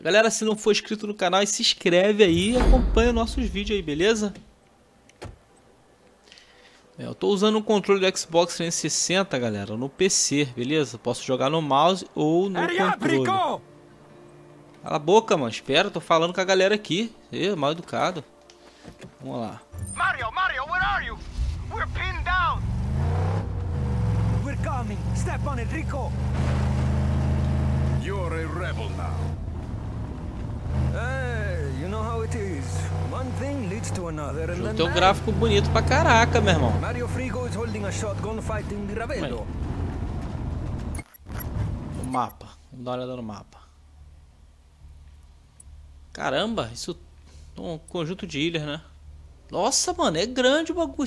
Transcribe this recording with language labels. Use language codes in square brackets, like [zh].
[pt] Galera, se não for inscrito no canal, se inscreve aí e acompanha nossos vídeos aí, beleza? Eu tô usando o controle do Xbox 360, galera, no PC, beleza? Posso jogar no mouse ou no controle. Cala a boca, mano. Espera, tô falando com a galera aqui. Ih, mal educado. Vamos lá. [en] Mario, Mario, where are you? We're pinned down. We're coming. Step on it, Rico. You're a rebel now. You know how it is. One thing leads to another, and [pt] tem um gráfico bonito pra caraca, meu irmão. [en] Mario Frigo is holding a shotgun fighting Ravelo. [pt] O mapa. Vamos dar uma olhada no mapa. Caramba, isso é um conjunto de ilhas, né? Nossa, mano, é grande o bagulho.